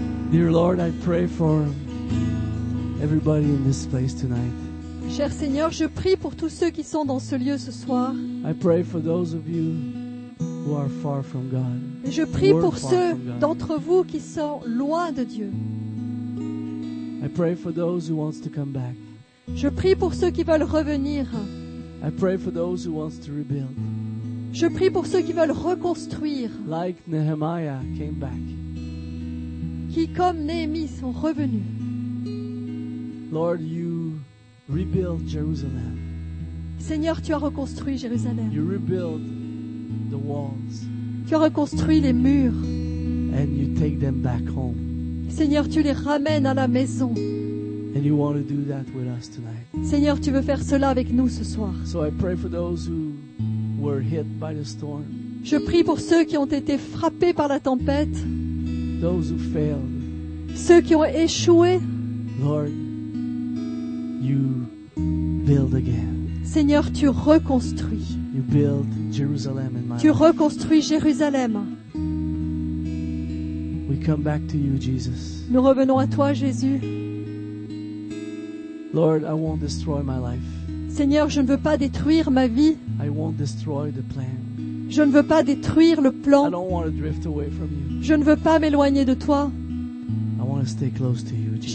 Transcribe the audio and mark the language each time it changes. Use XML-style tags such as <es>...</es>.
<en>Dear Lord, I pray for everybody in this place tonight.</en> <fr>Cher Seigneur, je prie pour tous ceux qui sont dans ce lieu ce soir.</fr> <en>I pray for those of you who are far from God.</en> <fr>Et je prie pour ceux d'entre vous qui sont loin de Dieu.</fr> <en>I pray for those who wants to come back.</en> <fr>Je prie pour ceux qui veulent revenir.</fr> <en>I pray for those who wants to rebuild.</en> <fr>Je prie pour ceux qui veulent reconstruire.</fr> <en>Like Nehemiah came back.</en> <fr>Qui comme Néhémie sont revenus.</fr> <en>Lord, you rebuild Jerusalem.</en> <fr>Seigneur, tu as reconstruit Jérusalem.</fr> <en>You rebuild the walls.</en> <fr>Tu as reconstruit les murs.</fr> <en>And you take them back home.</en> <fr>Seigneur, tu les ramènes à la maison.</fr> <en>And you want to do that with us tonight.</en> <fr>Seigneur, tu veux faire cela avec nous ce soir.</fr> <en>So I pray for those who were hit by the storm.</en> <fr>Je prie pour ceux qui ont été frappés par la tempête.</fr> <en>Those who failed.</en> <fr>Ceux qui ont échoué.</fr> <en>Lord, you build again.</en> <fr>Seigneur, tu reconstruis.</fr> <en>You build Jerusalem in my</en> <fr>tu reconstruis Jérusalem.</fr> <en>We come back to you, Jesus.</en> <fr>Nous revenons à toi, Jésus.</fr> <en>Lord, I won't destroy my life.</en> <fr>Seigneur, je ne veux pas détruire ma vie.</fr> <en>I won't destroy the plan.</en> <fr>Je ne veux pas détruire le plan.</fr> <en>I don't want to drift away from you.</en> <fr>Je ne veux pas m'éloigner de toi.</fr> <en>I want to stay close to you, Jesus.</en>